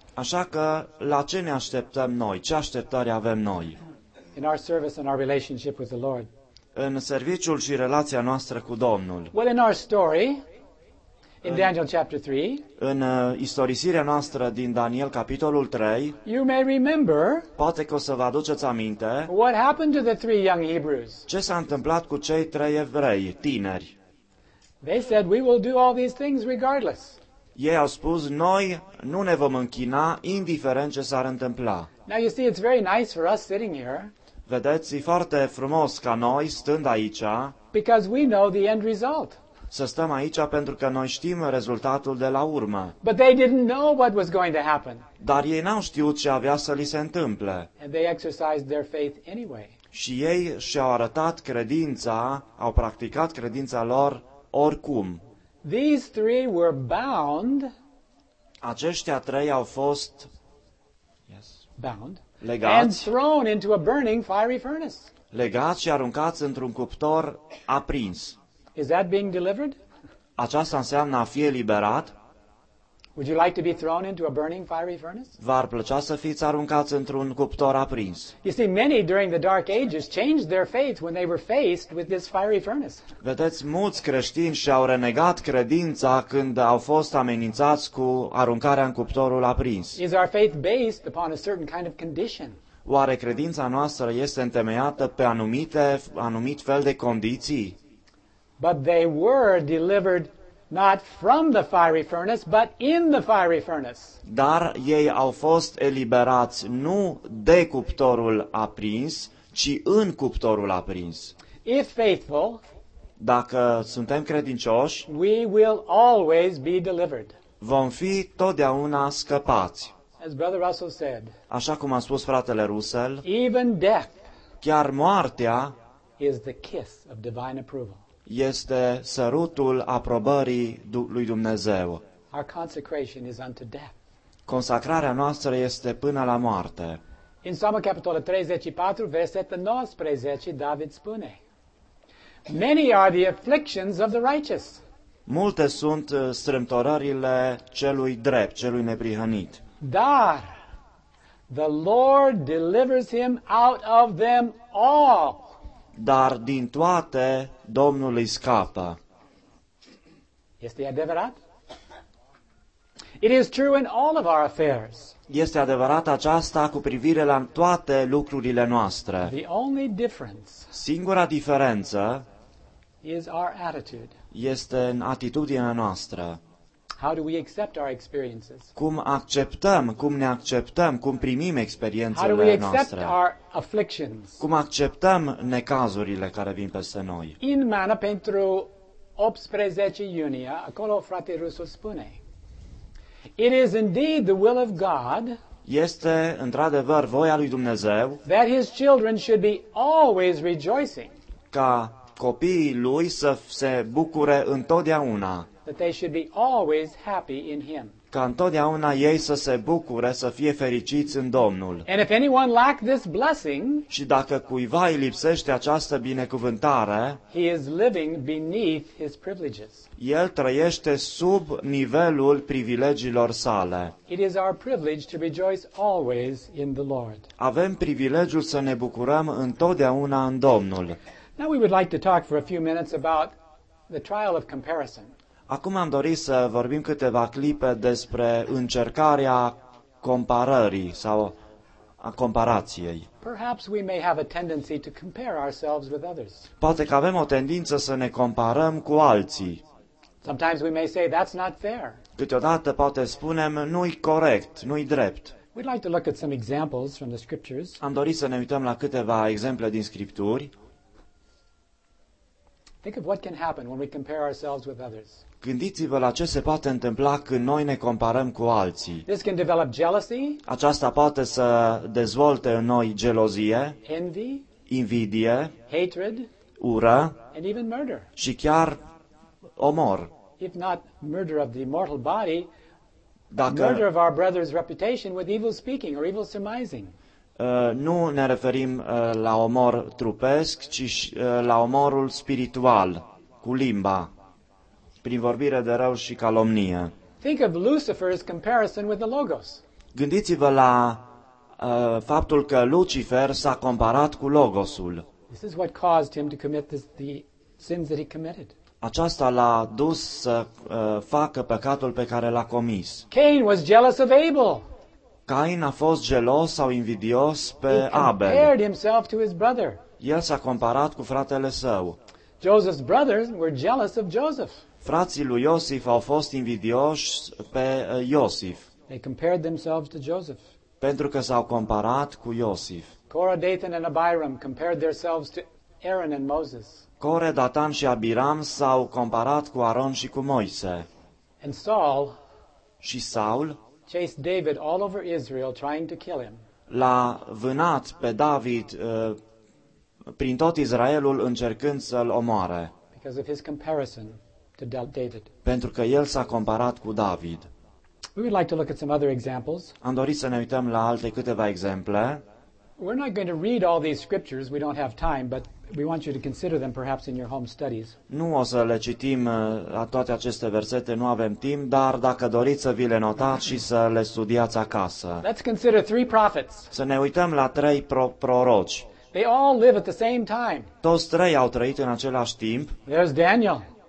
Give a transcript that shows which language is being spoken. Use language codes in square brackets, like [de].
[ro] Așa că la ce ne așteptăm noi? Ce așteptări avem noi? [en] In our service and our relationship with the Lord. [ro] În serviciul și relația noastră cu Domnul. [en] Well, in our story, in Daniel chapter 3. [ro] În istorisirea noastră din Daniel capitolul 3. [en] You may remember. [ro] Poate că o să vă aduceți aminte. [en] What happened to the three young Hebrews? [ro] Ce s-a întâmplat cu cei trei evrei tineri? [en] They said, "We will do all these things regardless." [ro] Ei au spus, noi nu ne vom închina, indiferent ce s-ar întâmpla. [en] Now you see, it's very nice for us sitting here. [ro] Vedeți, e foarte frumos ca noi, stând aici, [en] because we know the end result. [ro] Să stăm aici pentru că noi știm rezultatul de la urmă. [en] But they didn't know what was going to happen. [ro] Dar ei n-au știut ce avea să li se întâmple. [en] And they exercised their faith anyway. [ro] Și ei și-au arătat credința, au practicat credința lor oricum. [en] These three were bound. [ro] Aceștia trei au fost [en] bound, [ro] legați, [en] and thrown into a burning fiery furnace. [ro] Legați și aruncați într-un cuptor aprins. [en] Is that being delivered? [ro] Aceasta înseamnă a fi eliberat? [en] Would you like to be thrown into a burning fiery furnace? [ro] V-ar plăcea să fiți aruncați într-un cuptor aprins? [en] You see, many during the Dark Ages changed their faith when they were faced with this fiery furnace. [ro] Vedeți, mulți creștini și-au renegat credința când au fost amenințați cu aruncarea în cuptorul aprins. [en] Is our faith based upon a certain kind of condition? [ro] Oare credința noastră este întemeiată pe anumit fel de condiții? [en] But they were delivered not from the fiery furnace, but in the fiery furnace. [ro] Dar ei au fost eliberați nu de cuptorul aprins, ci în cuptorul aprins. [en] If faithful, [ro] dacă suntem credincioși, [en] we will always be delivered. [ro] Vom fi totdeauna scăpați. [en] As Brother Russell said, [ro] așa cum a spus fratele Russell, [en] even death, [ro] chiar moartea, [en] is the kiss of divine approval. [ro] Este sărutul aprobării lui Dumnezeu. [en] Our consecration is unto death. [ro] Consacrarea noastră este până la moarte. În Psalmul capitolul 34, versetul 19, David spune: [en] Many are the afflictions of the righteous. [ro] Multe sunt strâmtorările celui drept, celui neprihănit. Dar [en] the Lord delivers him out of them all. [ro] Dar din toate Domnul îi scapă. Este adevărat? [en] It is true in all of our affairs. [ro] Este adevărat aceasta cu privire la toate lucrurile noastre. [en] The only difference. [ro] Singura diferență [en] is our attitude. [ro] Este în atitudinea noastră. [en] How do we accept our experiences? [ro] Cum acceptăm, cum ne acceptăm, cum primim experiențele noastre? [en] How do we accept our afflictions? [ro] Cum acceptăm necazurile care vin peste noi? In mana pentru 18 iunie, acolo frate Rusu spune: [en] It is indeed the will of God. [ro] Este într-adevăr voia lui Dumnezeu. [en] That his children should be always rejoicing. [ro] Ca copiii lui să se bucure întotdeauna. [en] That they should be always happy in him. [ro] Ca întotdeauna ei să se bucure, să fie fericiți în Domnul. [en] And if anyone lack this blessing, [ro] și dacă cuiva îi lipsește această binecuvântare, [en] he is living beneath his privileges. [ro] El trăiește sub nivelul privilegiilor sale. [en] It is our privilege to rejoice always in the Lord. [ro] Avem privilegiul să ne bucurăm întotdeauna în Domnul. [en] Now we would like to talk for a few minutes about the trial of comparison. [ro] Acum am dorit să vorbim câteva clipe despre încercarea comparării sau a comparației. [en] Perhaps we may have a tendency to compare ourselves with others. [ro] Poate că avem o tendință să ne comparăm cu alții. [en] Sometimes we may say that's not fair. [ro] Câteodată poate spunem nu-i corect, nu-i drept. [en] We'd like to look at some examples from the scriptures. [ro] Am dorit să ne uităm la câteva exemple din scripturi. [en] Think of what can happen when we compare ourselves with others. [ro] Gândiți-vă la ce se poate întâmpla când noi ne comparăm cu alții. [en] This can develop jealousy. [ro] Aceasta poate să dezvolte în noi gelozie, [en] envy, [ro] invidie, [en] hatred, [ro] ură, [en] and even murder. [ro] Și chiar omor. [en] If not murder of the mortal body, [ro] dacă [en] murder of our brother's reputation with evil speaking or evil surmising. [ro] nu ne referim la omor trupesc, ci la omorul spiritual, cu limba, prin vorbire de rău și calomnie. [en] Think of Lucifer's comparison with the Logos. [ro] Gândiți-vă la faptul că Lucifer s-a comparat cu Logosul. [en] This is what caused him to commit the sins that he committed. [ro] Aceasta l-a dus să facă păcatul pe care l-a comis. [en] Cain was jealous of Abel. [ro] Cain a fost gelos sau invidios pe [en] he Abel. Compared himself to his brother. [ro] El s-a comparat cu fratele său. [en] Joseph's brothers were jealous of Joseph. [ro] Frații lui Iosif au fost invidioși pe Iosif. [en] They compared themselves to Joseph. [ro] Pentru că s-au comparat cu Iosif. [en] Korah, Dathan and Abiram compared themselves to Aaron and Moses. [ro] Core, Datan și Abiram s-au comparat cu Aron și cu Moise. [en] And Saul, [ro] și Saul, [en] chased David all over Israel trying to kill him. [ro] L-a vânat pe David prin tot Israelul încercând să-l omoare. [en] Because of his comparison to David. [ro] Pentru că el s-a comparat cu David. [en] We would like to look at some other examples. [ro] Am dorit să ne uităm la alte câteva exemple. [en] We're not going to read all these scriptures, we don't have time, but we want you to consider them perhaps in your home studies. [ro] Nu o să le citim la toate aceste versete, nu avem timp, dar dacă doriți să vi le notați și să le studiați acasă. [en] Let's consider three prophets. [ro] Să ne uităm la trei proroci. [en] They all live at the same time. [ro] Toți trei au trăit în același timp. [en] There's Daniel.